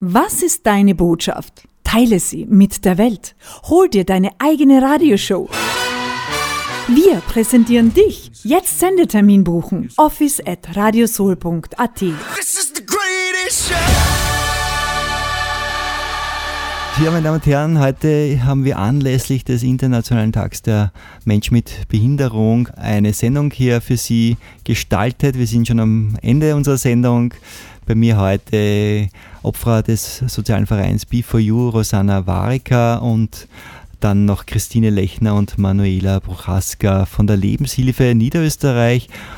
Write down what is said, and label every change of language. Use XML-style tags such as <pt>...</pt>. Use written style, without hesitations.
<de>Was ist deine Botschaft? Teile sie mit der Welt. Hol dir deine eigene Radioshow. Wir präsentieren dich. Jetzt Sendetermin buchen. office@radiosoul.at.</de> <en>This is the greatest show.</en> <de>Ja, meine Damen und Herren, heute haben wir anlässlich des Internationalen Tags der Mensch mit Behinderung eine Sendung hier für Sie gestaltet. Wir sind schon am Ende unserer Sendung. Bei mir heute Opfer des sozialen Vereins B4U, Rosanna Warika, und dann noch Christine Lechner und Manuela Bruchaska von der Lebenshilfe Niederösterreich.</de>